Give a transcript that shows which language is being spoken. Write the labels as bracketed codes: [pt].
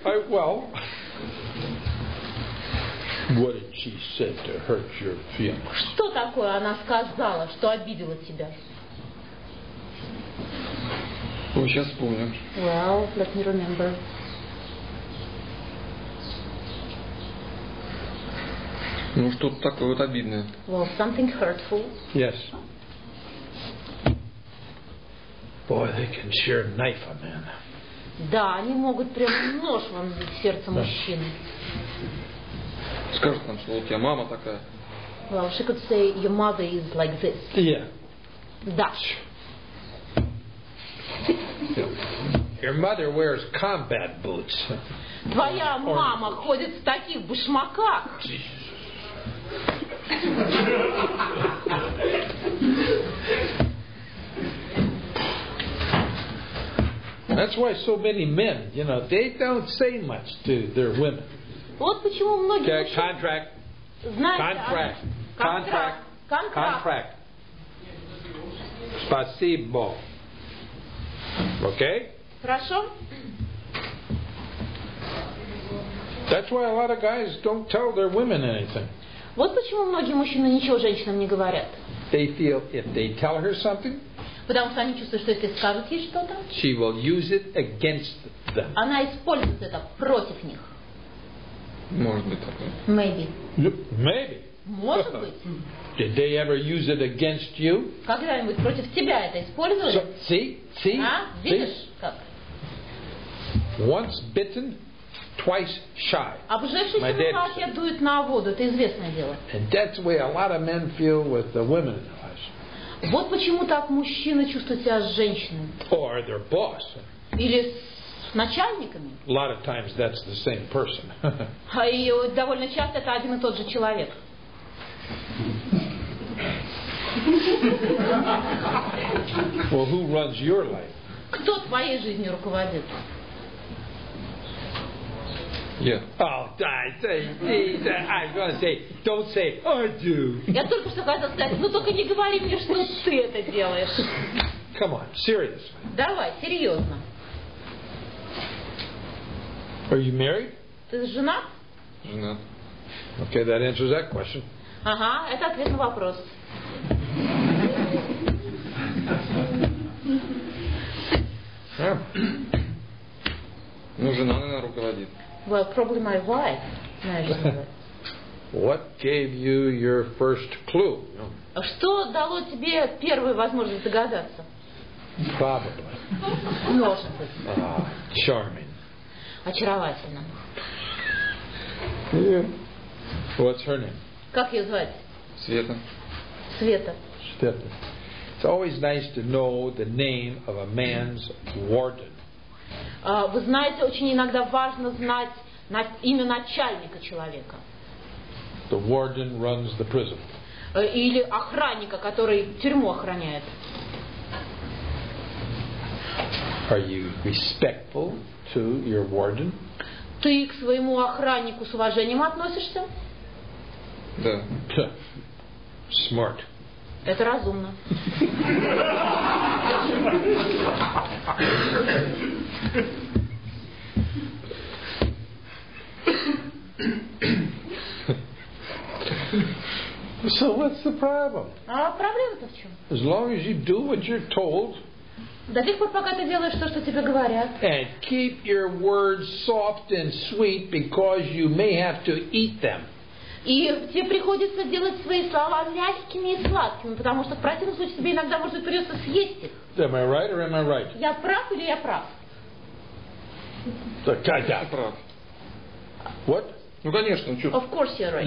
[en] Well, what did she say to hurt your feelings? [ru] Что такое она сказала, что обидела тебя? Ой, сейчас вспомню. [en] Well, let me remember. [ru] Ну что-то такое вот обидное. [en] Well, something hurtful. Yes. Boy, they can sure knife a man. [ru] Да, они могут прям нож вам в сердце мужчины. Скажут нам, что вот у тебя мама такая. [en] Well, she could say your mother is like this. Yeah. [ru] Да. [en] Your mother wears combat boots. [ru] Твоя мама ходит в таких башмаках. [en] That's why so many men, you know, they don't say much to their women. [ru] Вот почему многие мужчины. [en] Contract. Contract. [ru] Спасибо. [en] Okay? [ru] Хорошо. [en] That's why a lot of guys don't tell their women anything. [ru] Вот почему многие мужчины ничего женщинам не говорят. [en] They feel if they tell her something, [ru] потому что они чувствуют, что если скажут ей что-то, [en] she will use it against them. [ru] Она использует это против них. Может быть такое. [en] Maybe. Maybe. [ru] Может быть. [en] Did they ever use it against you? [ru] Когда-нибудь против тебя это использовали? [en] See? [ru] А? Видишь, как? [en] Once bitten, twice shy. [ru] Обжившись на лаке, дует на воду. Это известное дело. [en] And that's the way a lot of men feel with the women in their lives. [ru] Вот почему так мужчины чувствуют себя с женщиной. [en] Or their boss. [ru] Или с начальниками. [en] A lot of times that's the same person. [ru] А и довольно часто это один и тот же человек. [en] Well, who runs your life? [ru] Кто твоей жизнью руководит? [en] Yeah. Oh, I'm gonna say, don't say I do. [ru] Я только что хотел сказать, ну только не говори мне, что ты это делаешь. [en] Come on, seriously. [ru] Давай, серьезно. [en] Are you married? [ru] Ты жена? Жена. [en] Okay, that answers that question. [ru] Ага, это ответ на вопрос. Ну, жена, наверное, руководит. [en] Well, probably my wife. What gave you your first clue? [ru] Что дало тебе первую возможность догадаться? [en] Probably. [ru] Может быть. [en] Charming. [ru] Очаровательно. [en] Yeah. What's her name? [ru] Как ее звать? Света. Света. Света. [en] It's always nice to know the name of a man's warden. [ru] Вы знаете, очень иногда важно знать имя начальника человека. [en] The warden runs the prison. [ru] Или охранника, который тюрьму охраняет. [en] Are you respectful to your warden? [ru] Ты к своему охраннику с уважением относишься? Да. [en] Smart. [ru] Это разумно. [en] So what's the problem? [ru] А проблема-то в чем? [en] As long as you do what you're told. [ru] До тех пор, пока ты делаешь то, что тебе говорят. [en] And keep your words soft and sweet, because you may have to eat them. [ru] И тебе приходится делать свои слова мягкими и сладкими, потому что в противном случае тебе иногда может придется съесть их. [en] Am I right or am I right? [ru] Я прав или я прав? [en] So, Katya. What? [ru] Ну, конечно, что? [en] Of course you're right.